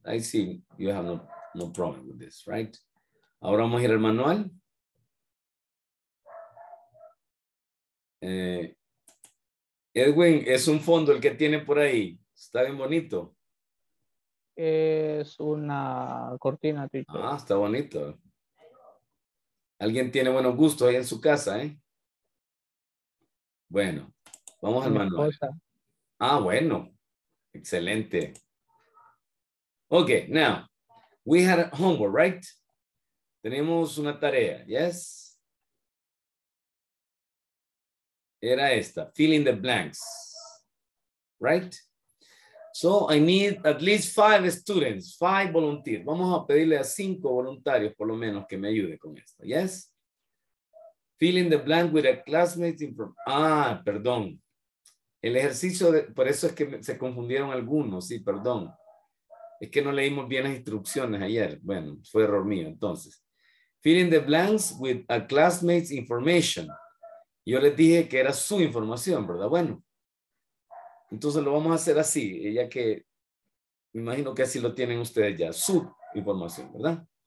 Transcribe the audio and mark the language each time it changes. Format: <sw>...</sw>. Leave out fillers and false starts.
<en>I see you have no problem with this, right?</en> <es>Ahora vamos a ir al manual. Edwin, es un fondo el que tiene por ahí. Está bien bonito. Es una cortina, tito. Ah, está bonito. Alguien tiene buenos gustos ahí en su casa, ¿eh? Bueno, vamos al manual. Ah, bueno. Excelente.</es> <en>Okay, now. We had homework, right?</en> <es>Tenemos una tarea,</es> <en>yes?</en> <es>Era esta,</es> <en>fill in the blanks. Right? So I need at least 5 students, 5 volunteers.</en> <es>Vamos a pedirle a 5 voluntarios, por lo menos, que me ayude con esto. Yes?</es> <en>Fill in the blank with a classmate.</en> <es>Perdón. El ejercicio, por eso es que se confundieron algunos. Sí, perdón. Es que no leímos bien las instrucciones ayer. Bueno, fue error mío, entonces.</es> <en>Fill in the blanks with a classmate's information.</en> <es>Yo les dije que era su información, ¿verdad? Bueno. Entonces lo vamos a hacer así, ya que me imagino que así lo tienen ustedes ya, su información, ¿verdad?</es>